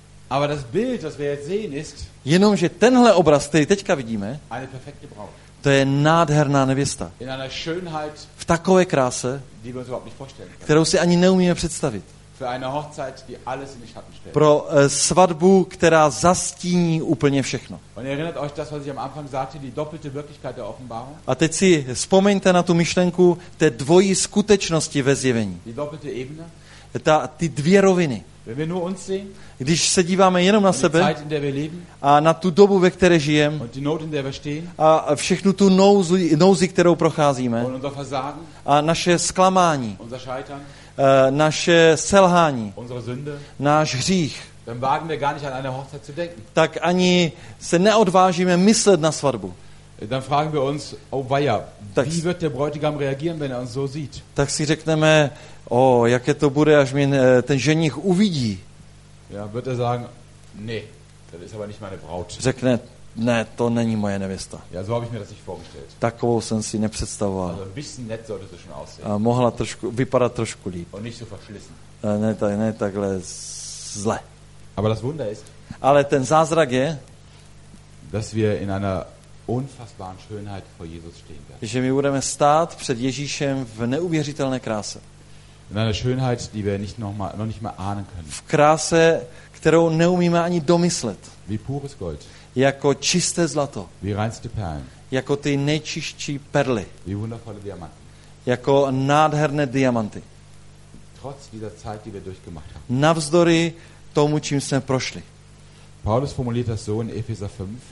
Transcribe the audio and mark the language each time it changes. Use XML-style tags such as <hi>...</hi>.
<de>Aber das Bild, das wir jetzt sehen, ist.</de> <cs>Jenomže tenhle obraz, který teďka vidíme.</cs> <de>Eine perfekte Braut.</de> <cs>To je nádherná nevěsta.</cs> <de>In einer Schönheit.</de> <cs>V takové kráse,</cs> <de>die wir uns überhaupt nicht vorstellen.</de> <cs>Kterou si ani neumíme představit.</cs> <de>für eine Hochzeit, die alles in den Schatten stellt.</de> <cs>Pro svatbu, která zastíní úplně všechno.</cs> <de>Und erinnert euch das, was ich am Anfang sagte, die doppelte Wirklichkeit der Offenbarung?</de> <cs>A teď si vzpomeňte na tu myšlenku té dvojí skutečnosti ve zjevení.</cs> <de>Die doppelte Ebene?</de> <cs>Ty dvě roviny.</cs> <de>Wenn wir nur uns sehen,</de> <cs>když se díváme jenom na sebe</cs> <de>Zeit, in der wir leben,</de> <cs>a na tu dobu, ve které žijeme</cs> <de>und die Not, in der wir stehen,</de> <cs>a všechnu tu nouzi, kterou procházíme</cs> <de>und unser Versagen,</de> <cs>a naše zklamání,</cs> <de>unser Scheitern,</de> <cs>naše selhání,</cs> <de>unsere Sünde,</de> <cs>náš hřích,</cs> <de>dann wagen wir gar nicht an eine Hochzeit zu denken.</de> <cs>Tak ani se neodvážíme myslet na svatbu.</cs> <de>Dann fragen wir uns, oh weia, tak, wie wird der Bräutigam reagieren, wenn er uns so sieht?</de> <cs>Tak si řekneme, o, jaké to bude, až mě ten ženich uvidí.</cs> <de>Ja, wird er sagen, nee, das ist aber nicht meine Braut.</de> <cs>Řekne, ne, to není moje nevěsta.</cs> <de>Ja, so habe ich mir das nicht vorgestellt.</de> <cs>Takovou jsem si nepředstavoval.</cs> <de>Also ein bisschen nett sollte es schon aussehen.</de> <cs>A mohla trošku, vypadat trošku líp.</cs> <de>Und nicht so verschlissen.</de> <cs>Ne, tak, ne takhle zle.</cs> <de>Aber das Wunder ist,</de> <cs>ale ten zázrak je,</cs> <de>dass wir in einer unfassbaren Schönheit vor Jesus stehen werden.</de> <cs>Že my budeme stát před Ježíšem v neuvěřitelné kráse.</cs> <de>In einer Schönheit, die wir nicht noch mal, noch nicht mal ahnen können.</de> <cs>V kráse, kterou neumíme ani domyslet.</cs> <de>Wie pures Gold.</de> <cs>Jako čisté zlato.</cs> <de>Wie reinste Perlen.</de> <cs>Jako ty nejčistší perly.</cs> <de>Wie wundervolle Diamanten.</de> <cs>Jako nádherné diamanty.</cs> <de>Trotz dieser Zeit, die wir durchgemacht haben.</de> <cs>Navzdory tomu, čím jsme prošli.</cs> <de>Paulus formuliert das so in Epheser 5.</de>